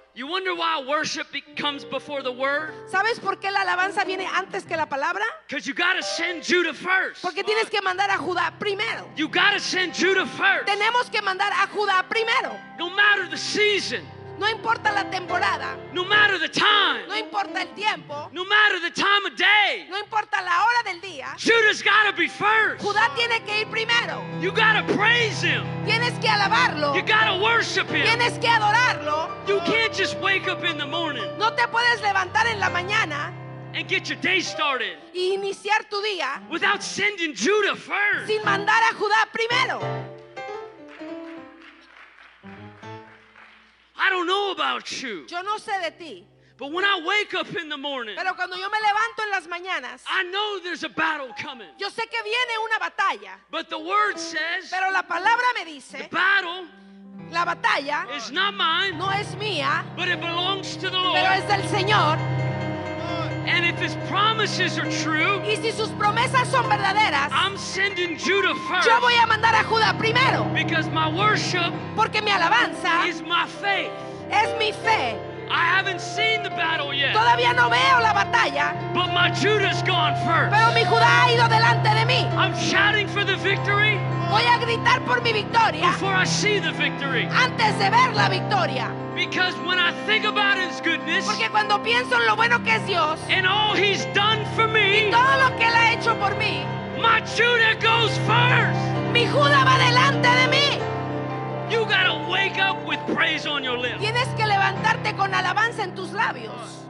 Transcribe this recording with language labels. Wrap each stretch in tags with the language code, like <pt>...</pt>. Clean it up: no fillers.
<en>You wonder why worship comes before the word?</en> <es>¿Sabes por qué la alabanza viene antes que la palabra?</es> <en>Because you gotta send Judah first.</en> <es>Porque tienes que mandar a Judá primero.</es> <en>You gotta send Judah first.</en> <es>Tenemos que mandar a Judá primero.</es> <en>No matter the season.</en> <es>No importa la temporada.</es> <en>No matter the time.</en> <es>No importa el tiempo.</es> <en>No matter the time of day.</en> <es>No importa la hora del día.</es> <en>Judah's gotta be first.</en> <es>Judá tiene que ir primero.</es> <en>You gotta praise him.</en> <es>Tienes que alabarlo.</es> <en>You gotta worship him.</en> <es>Tienes que adorarlo.</es> <en>You can't just wake up in the morning.</en> <es>No te puedes levantar en la mañana.</es> <en>And get your day started.</en> <es>Y iniciar tu día.</es> <en>Without sending Judah first.</en> <es>Sin mandar a Judá primero.</es> <en>I don't know about you.</en> <es>Yo no sé de ti.</es> <en>But when I wake up in the morning.</en> <es>Pero cuando yo me levanto en las mañanas.</es> <en>I know there's a battle coming.</en> <es>Yo sé que viene una batalla.</es> <en>But the word says.</en> <es>Pero la palabra me dice.</es> <en>The battle.</en> <es>La batalla.</es> <en>Is not mine.</en> <es>No es mía.</es> <en>But it belongs to the Lord.</en> <es>Pero es del Señor.</es> <en>And if his promises are true.</en> <es>Y si sus promesas son verdaderas.</es> <en>I'm sending Judah first.</en> <es>Yo voy a mandar a Judá primero.</es> <en>Because my worship.</en> <es>Porque mi alabanza.</es> <en>Is my faith.</en> <es>Es mi fe.</es> <en>I haven't seen the battle yet.</en> <es>Todavía no veo la batalla.</es> <en>But my Judah's gone first.</en> <es>Pero mi Judá ha ido delante de mí.</es> <en>I'm shouting for the victory.</en> <es>Voy a gritar por mi victoria.</es> <en>Before I see the victory.</en> <es>Antes de ver la victoria.</es> <en>Because when I think about his goodness.</en> <es>Porque cuando pienso en lo bueno que es Dios.</es> <en>And all he's done for me.</en> <es>Y todo lo que él ha hecho por mí.</es> <en>My Judah goes first.</en> <es>Mi Judá va delante de mí.</es> <en>You gotta wake up with praise on your lips.</en> <es>Tienes que levantarte con alabanza en tus labios.</es>